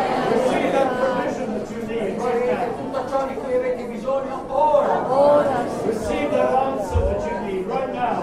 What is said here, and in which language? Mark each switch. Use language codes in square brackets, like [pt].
[en] Receive that provision that you need right now. [it] Ricevete tutto ciò di cui avete bisogno ora. Ora. [en] Receive that answer that you need right now.